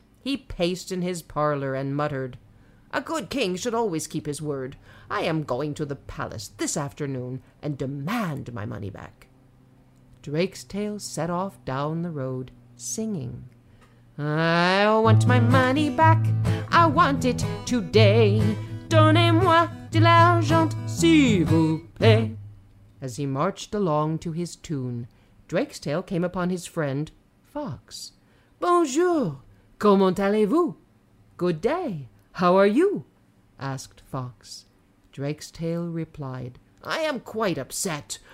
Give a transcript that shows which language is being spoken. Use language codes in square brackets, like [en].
[en] He paced in his parlor and muttered, "A good king should always keep his word. I am going to the palace this afternoon and demand my money back." Drake's Tail set off down the road, singing, "I want my money back, I want it today. [fr] Donnez-moi de l'argent, s'il vous plaît." [en] As he marched along to his tune, Drake's Tail came upon his friend, Fox. [fr] "Bonjour. Comment allez-vous? [en] Good day. How are you?" asked Fox. Drake's Tail replied, "I am quite upset.